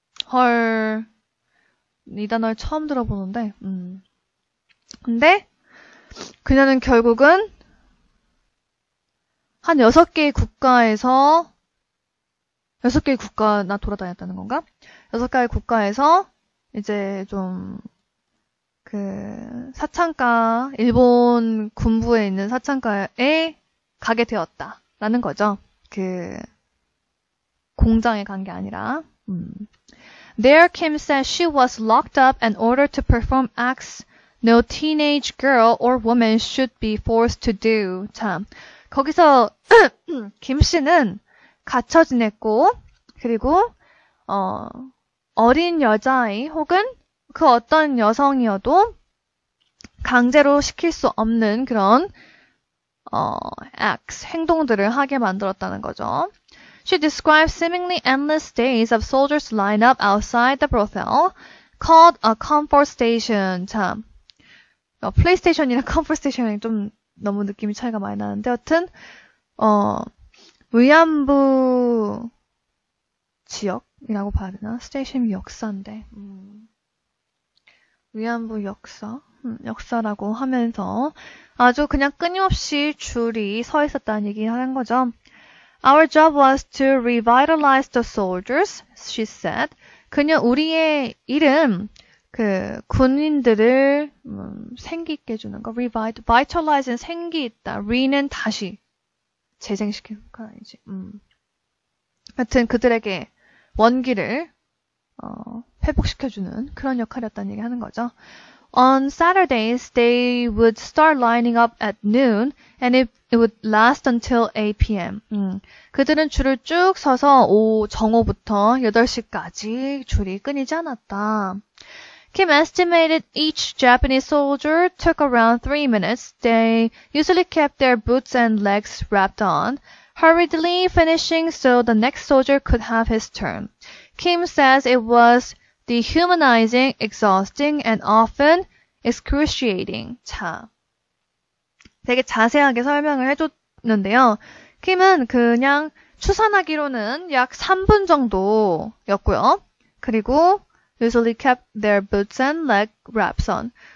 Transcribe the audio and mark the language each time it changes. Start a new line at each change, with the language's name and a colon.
Korean: 헐, 이 단어를 처음 들어보는데, 근데 그녀는 결국은 한 여섯 개의 국가나 돌아다녔다는 건가? 여섯 개의 국가에서 이제 좀그 사창가, 일본 군부에 있는 사창가에 가게 되었다라는 거죠. 그 공장에 간게 아니라.
English: There, Kim said she was locked up and ordered to perform acts no teenage girl or woman should be forced to do.
Korean: 자, 거기서 김 씨는 갇혀 지냈고, 그리고 어린 여자아이 혹은 그 어떤 여성이어도 강제로 시킬 수 없는 그런 acts 행동들을 하게 만들었다는 거죠.
English: She described seemingly endless days of soldiers lined up outside the brothel, called a comfort station.
Korean: 참, 플레이스테이션이나 컴포트 스테이션이 좀 너무 느낌이 차이가 많이 나는데, 여튼 위안부 지역이라고 봐야 되나? 스테이션 역사인데, 위안부 역사, 역사라고 하면서 아주 그냥 끊임없이 줄이 서 있었다는 얘기를 하는 거죠.
English: Our job was to revitalize the soldiers, she said.
Korean: 그녀 우리의 일은 그 군인들을 생기 있게 주는 거, revitalize는 생기 있다, re는 다시 재생시키는 거 아니지. 하여튼 그들에게 원기를 회복시켜주는 그런 역할이었다는 얘기 하는 거죠.
English: On Saturdays, they would start lining up at noon, and it would last until 8 p.m.
Korean: 그들은 줄을 쭉 서서 정오부터 8시까지 줄이 끊이지 않았다.
English: Kim estimated each Japanese soldier took around 3 minutes. They usually kept their boots and legs wrapped on, hurriedly finishing so the next soldier could have his turn. Kim says it was dehumanizing, exhausting, and often excruciating.
Korean: 자, 되게 자세하게 설명을 해줬는데요. 킴은 그냥 추산하기로는 약 3분 정도였고요.
English: 그리고 usually kept their boots and leg wraps on.